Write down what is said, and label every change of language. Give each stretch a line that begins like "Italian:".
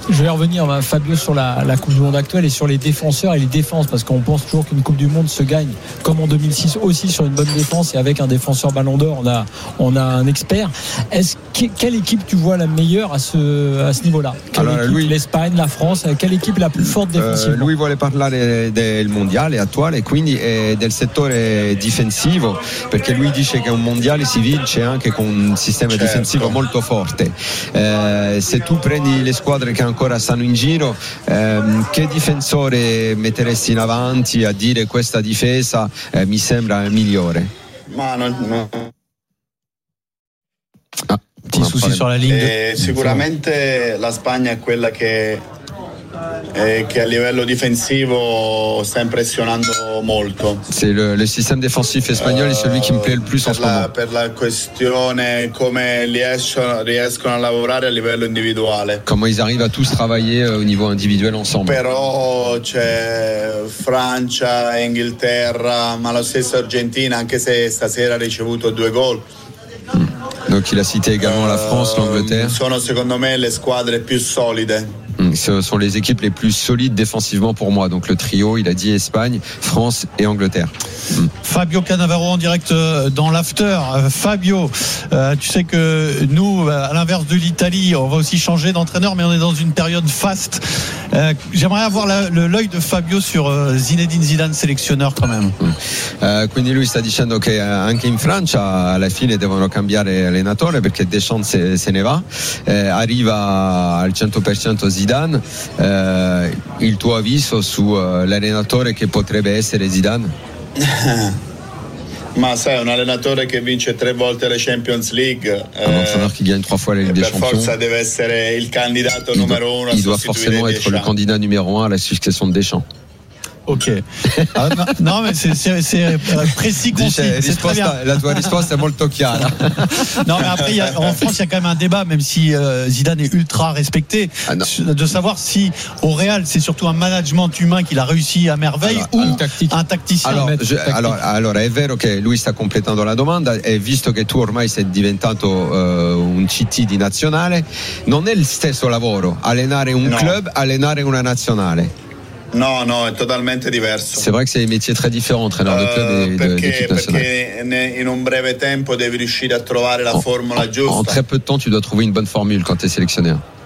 French: Je vais revenir, Fabio, sur la Coupe du Monde actuelle et sur les défenseurs et les défenses, parce qu'on pense toujours qu'une Coupe du Monde se gagne comme en 2006 aussi sur une bonne défense et avec un défenseur Ballon d'Or, on a un expert. Quelle équipe tu vois la meilleure à ce niveau-là? Alors, l'Espagne, la France, quelle équipe la plus forte défensivement? Lui voulait parler du mondial.
Italian: mondiale attuale e quindi è del settore difensivo, perché lui dice che un mondiale si vince anche con un sistema certo. difensivo molto forte. Se tu prendi le squadre che ancora stanno in giro, che difensore metteresti in avanti a dire questa difesa mi sembra migliore? Ma non no. Ti susi sulla lingua. Sicuramente la Spagna è quella che a livello difensivo sta impressionando molto. Sì, il sistema difensivo spagnolo è
French: celui
Italian: che mi piace il più per la questione come riescono a lavorare a livello individuale. Come
French: ils arrivent a tous travailler au niveau individuel ensemble.
Italian: Però c'è Francia, Inghilterra, ma la stessa Argentina, anche se stasera ha ricevuto due gol.
French: Donc il a cité également la France, l'Angleterre.
Italian: Sono secondo me le squadre più solide.
French: Ce sont les équipes les plus solides défensivement pour moi. Donc le trio, il a dit Espagne, France et Angleterre. Fabio Cannavaro en direct dans l'after. Fabio, tu sais que nous, à l'inverse de l'Italie, on va aussi changer d'entraîneur, mais on est dans une période faste. J'aimerais avoir l'œil de Fabio sur Zinedine Zidane, sélectionneur quand même.
Italian: Quindi lui sta dicendo che anche in Francia alla fine devono cambiare allenatore perché Deschamps se ne va. Arriva al 100% Zidane. Il tuo avviso su l'allenatore che potrebbe essere Zidane? Ma sai, un allenatore che vince tre volte la Champions League,
French: un entraîneur qui gagne trois fois la Ligue des Champions,
Italian: per forza deve essere il candidato numero uno a sostituire
French: Deschamps. Il doit forcément être le candidat numéro un à la succession de Deschamps. Ok. Non mais c'est précis, concis. C'est très bien.
Italian: La tua risposta è molto chiara.
French: Non mais après, en France, il y a quand même un débat, même si Zidane est ultra respecté, de savoir si au Real, c'est surtout un management humain qu'il a réussi à merveille ou un tacticien.
Italian: Alors, è vero che lui sta completando la domanda. E visto che tu ormai sei diventato un CT di nazionale, non è il stesso lavoro allenare un club, allenare una nazionale. No, è totalmente diverso.
French: C'est vrai que c'est un métier très différent, entraîneur de club et d'équipe nationale.
Italian: Perché in un breve tempo devi riuscire a trovare la formula giusta.
French: En très peu de temps, tu dois trouver une bonne formule quand tu es sélectionneur.